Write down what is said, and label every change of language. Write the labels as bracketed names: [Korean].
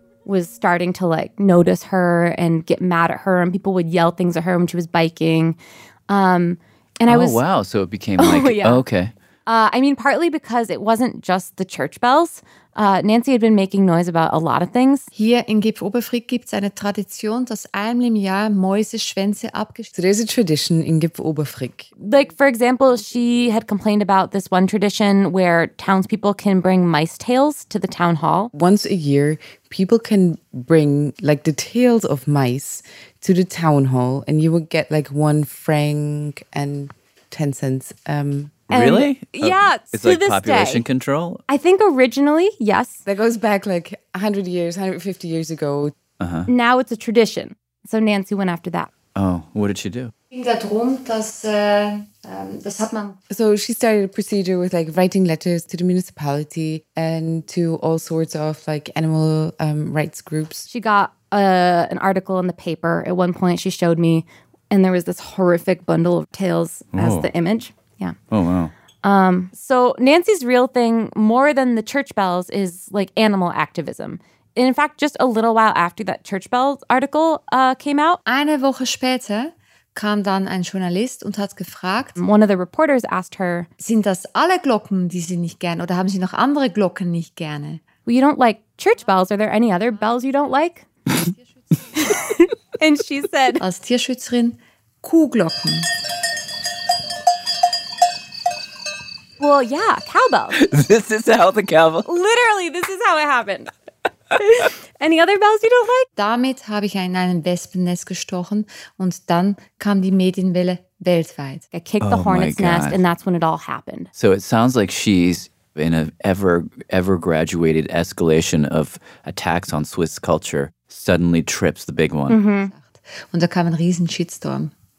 [English] was starting to like notice her and get mad at her, and people would yell things at her when she was biking. So it became like, yeah. Okay. I mean, partly because it wasn't just the church bells. Nancy had been making noise about a lot of things. [German] Hier in Gipfoberfrick gibt's eine Tradition, dass einmal im Jahr Mäuse Schwänze abgeschnitten. [English] There is a tradition in Gipfoberfrick. Like, for example, she had complained about this one tradition where townspeople can bring mice tails to the town hall. Once a year, people can bring like the tails of mice to the town hall, and you would get like 1 franc and 10 cents. And really? Yeah, it's to like this population day. Control? I think originally, yes. That goes back like 100 years, 150 years ago. Uh-huh. Now it's a tradition. So Nancy went after that. Oh, what did she do? So she started a procedure with like writing letters to the municipality and to all sorts of like animal rights groups. She got an article in the paper at one point, she showed me, and there was this horrific bundle of tails as the image. Yeah. Oh, wow. So Nancy's real thing, more than the church bells, is like animal activism. And in fact, just a little while after that church bells article came out, [German] eine Woche später kam dann ein Journalist und hat gefragt, [English] one of the reporters asked her, [German] sind das alle Glocken, die Sie nicht gerne, oder haben Sie noch andere Glocken nicht gerne? [English] Well, you don't like church bells. Are there any other bells you don't like? And she said, [German] als Tierschützerin, Kuhglocken. [English] Well, yeah, cowbells. This is how the cowbell. Literally, this is how it happened. Any other bells you don't like? [German] Damit habe ich in einem Wespennest gestochen und dann kam die Medienwelle weltweit. [English] I kicked the hornet's nest, and that's when it all happened. So it sounds like she's in an ever graduated escalation of attacks on Swiss culture, suddenly trips the big one. Mm-hmm. [German] Und da kam ein riesen Shitstorm.